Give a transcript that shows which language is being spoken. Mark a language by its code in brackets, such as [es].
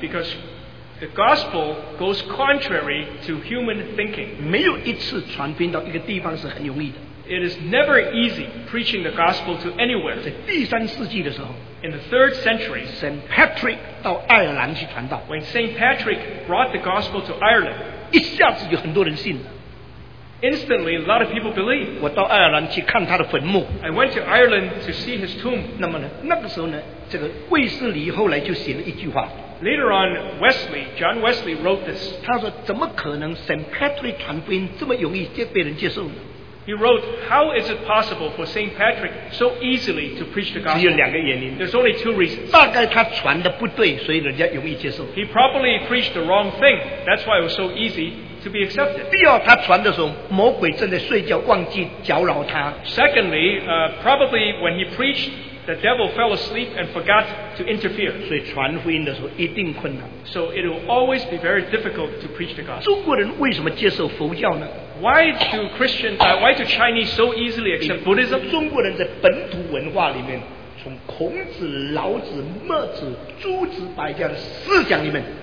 [en] because the gospel goes contrary to human thinking. [zh] 没有一次传福音到一个地方是很容易的, [en] it is never easy preaching the gospel to anywhere. [zh] 在第三世纪的时候, [en] in the 3rd century, [zh] St. Patrick到爱尔兰去传道, [en] when St. Patrick brought the gospel to Ireland, [zh] 一下子就很多人信了, [en] instantly a lot of people believe. [zh] 我到爱尔兰去看他的坟墓, [en] I went to Ireland to see his tomb. [zh] 那么呢, 那个时候呢, 这个卫斯理后来就写了一句话, [en] later on Wesley, John Wesley wrote this. [zh] 他说怎么可能 St. Patrick传福音这么容易被人接受呢? [en] He wrote, how is it possible for St. Patrick so easily to preach the gospel? [zh] 只有两个原因, [en] there's only two reasons. [zh] 大概他传的不对, 所以人家容易接受, [en] he probably preached the wrong thing, that's why it was so easy to be accepted. [zh] 第二,他传的时候, 魔鬼正在睡觉, 忘记搅扰他。 [en] Secondly, probably when he preached, the devil fell asleep and forgot to interfere. [zh] 所以传福音的时候一定困难。 [en] So it will always be very difficult to preach the gospel. [zh] 中国人为什么接受佛教呢? [en] Why do Chinese so easily accept Buddhism? [zh] 中国人在本土文化里面, 从孔子、老子、墨子、诸子百家的思想里面,